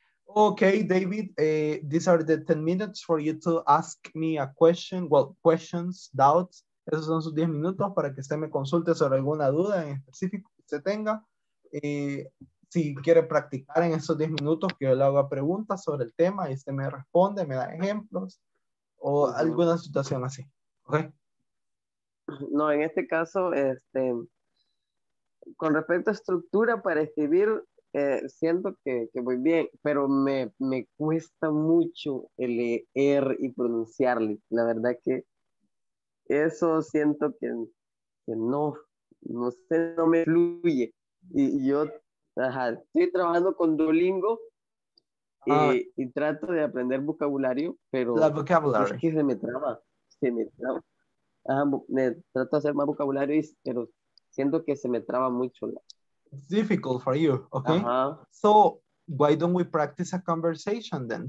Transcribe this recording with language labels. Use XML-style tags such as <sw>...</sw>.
<en>Okay, David, these are the 10 minutes for you to ask me a question. Well, questions, doubts.</en> <es>Esos son sus 10 minutos para que usted me consulte sobre alguna duda en específico. Se tenga, si quiere practicar en esos 10 minutos que yo le haga preguntas sobre el tema y usted me responde, me da ejemplos o alguna situación así, ¿ok? No, en este caso, con respecto a estructura para escribir, siento que voy bien, pero me cuesta mucho leer y pronunciarle, la verdad que eso siento que no sé, no me fluye. Y yo estoy trabajando con Duolingo y trato de aprender vocabulario, pero vocabulario. Es que se me traba. Ajá, me trato de hacer más vocabulario, pero siento que se me traba mucho.</es> <en>It's difficult for you, okay?</en> <es>Ajá.</es> <en>So, why don't we practice a conversation then?</en>